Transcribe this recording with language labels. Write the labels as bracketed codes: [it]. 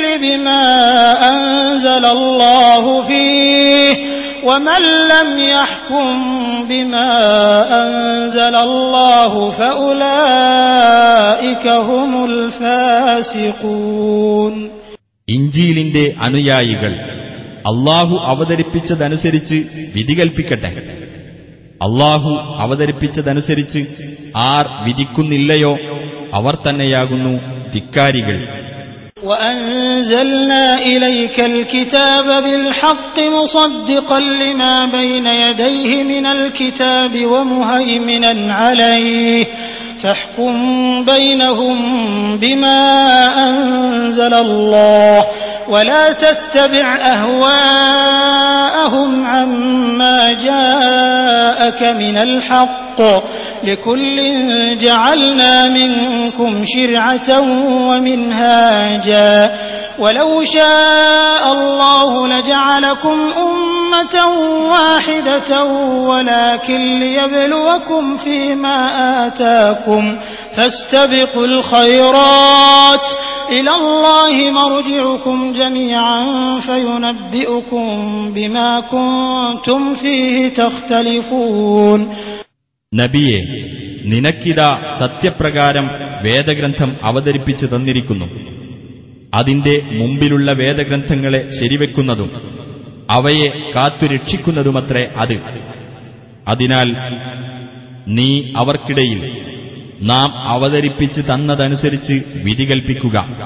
[ar] بما أنزل الله فيه ومن لم يحكم بما أنزل الله فأولئك هم الفاسقون. [ml] ഇഞ്ചീലിന്റെ അനുയായികൾ അള്ളാഹു അവതരിപ്പിച്ചതനുസരിച്ച് വിധി കൽപ്പിക്കട്ടെ. അള്ളാഹു അവതരിപ്പിച്ചതനുസരിച്ച് ആർ വിധിക്കുന്നില്ലയോ അവർ തന്നെയാകുന്നു ധിക്കാരികൾ. [ar] وأنزلنا إليك الكتاب بالحق مصدقا لما بين يديه من الكتاب ومهيمنا عليه فاحكم بينهم بما أنزل الله ولا تتبع أهواءهم عما جاءك من الحق لكل جعلنا منكم شرعة ومنهاجا ولو شاء الله لجعلكم أمة واحدة ولكن ليبلوكم فيما آتاكم فاستبقوا الخيرات إلى الله مرجعكم جميعا فينبئكم بما كنتم فيه تختلفون. [ml] നബിയെ, നിനക്കിതാ സത്യപ്രകാരം വേദഗ്രന്ഥം അവതരിപ്പിച്ചു തന്നിരിക്കുന്നു. അതിന്റെ മുമ്പിലുള്ള വേദഗ്രന്ഥങ്ങളെ ശരിവെക്കുന്നതും അവയെ കാത്തുരക്ഷിക്കുന്നതുമത്രേ അത്. അതിനാൽ നീ അവർക്കിടയിൽ നാം അവതരിപ്പിച്ചു തന്നതനുസരിച്ച് വിധികൽപ്പിക്കുക.